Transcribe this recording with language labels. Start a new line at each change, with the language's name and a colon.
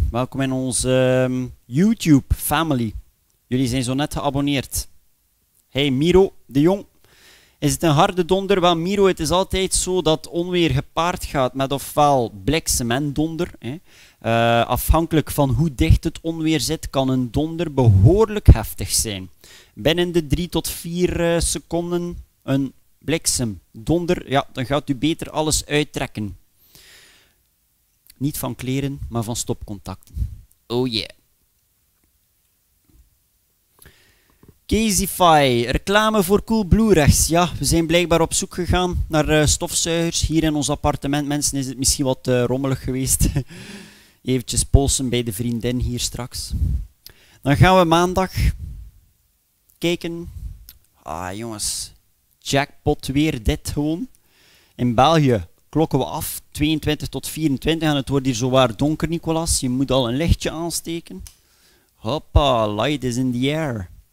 Dutch: Welkom in onze YouTube family. Jullie zijn zo net geabonneerd. Hey Miro de Jong, is het een harde donder? Wel Miro, het is altijd zo dat onweer gepaard gaat met ofwel bliksem en donder. Afhankelijk van hoe dicht het onweer zit, kan een donder behoorlijk heftig zijn. Binnen de 3 tot 4 seconden een bliksem, donder, ja, dan gaat u beter alles uittrekken. Niet van kleren, maar van stopcontacten.
English: Oh yeah.
Dutch: Caseify, reclame voor Coolblue rechts. Ja, we zijn blijkbaar op zoek gegaan naar stofzuigers. Hier in ons appartement, mensen, is het misschien wat rommelig geweest. Eventjes polsen bij de vriendin hier straks. Dan gaan we maandag kijken. Ah, jongens. Jackpot weer dit gewoon. In België klokken we af. 22 tot 24. En het wordt hier zowaar donker, Nicolas. Je moet al een lichtje aansteken.
English: Hoppa, light is in the air.